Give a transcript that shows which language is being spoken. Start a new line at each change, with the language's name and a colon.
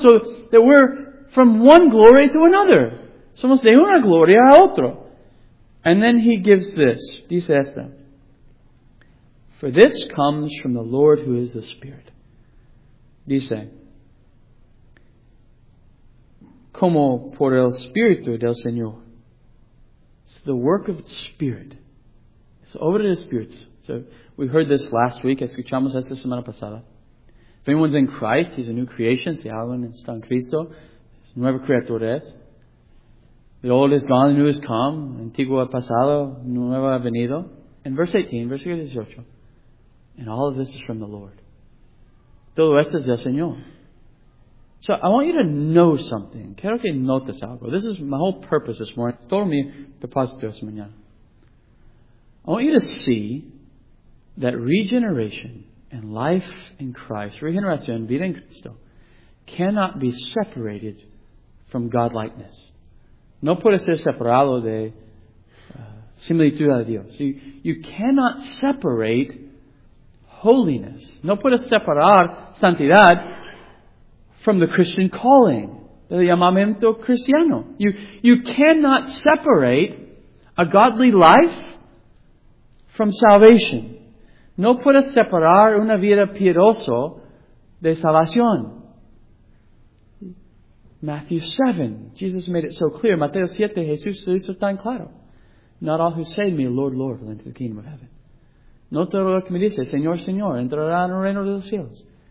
English: So that we're from one glory to another.
Spanish: Somos de una gloria a otro.
English: And then he gives this.
Spanish: Dice esta.
English: For this comes from the Lord who is the Spirit.
Spanish: Dice. Como por el Espíritu del Señor.
English: It's the work of the Spirit. It's over the Spirit. So we heard this last week.
Spanish: Escuchamos esta semana pasada.
English: If anyone's in Christ, he's a new creation.
Spanish: Si alguien está en Cristo, es nuevo creador.
English: The old is gone, the new is come.
Spanish: Antiguo ha pasado, nuevo ha venido.
English: And verse 18,
Spanish: versículo 18.
English: And all of this is from the Lord.
Spanish: Todo esto es del Señor.
English: So I want you to know something.
Spanish: Quiero que notes algo.
English: This is my whole purpose this morning.
Spanish: Todo mi propósito esta mañana.
English: I want you to see that regeneration and life in Christ,
Spanish: regeneración, vida en Cristo,
English: cannot be separated from God-likeness.
Spanish: No puede ser separado de similitud a Dios.
English: You cannot separate holiness.
Spanish: No puede separar santidad
English: from the Christian calling,
Spanish: el llamamiento cristiano.
English: You cannot separate a godly life from salvation.
Spanish: No puede separar una vida piedosa de salvación.
English: Matthew 7, Jesus made it so clear.
Spanish: Mateo 7, Jesús lo hizo tan claro.
English: Not all who say to me, Lord, Lord, will enter the kingdom of heaven.
Spanish: No todo lo que me dice, Señor, Señor, entrará en el reino de los cielos.